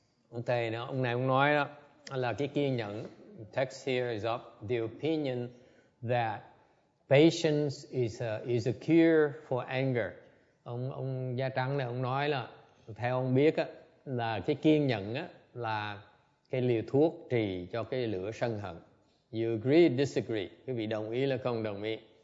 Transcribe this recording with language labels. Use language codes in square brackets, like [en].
[vi] Ông thầy nó, ông này ông nói đó là cái kiên nhẫn. [en] Text here is of the opinion that patience is a cure for anger. [vi] Ông da trắng này ông nói là theo ông biết á là cái kiên nhẫn á là cái liều thuốc trị cho cái lửa sân hận. [en] You agree, disagree? [vi] Quý vị đồng ý là không đồng ý?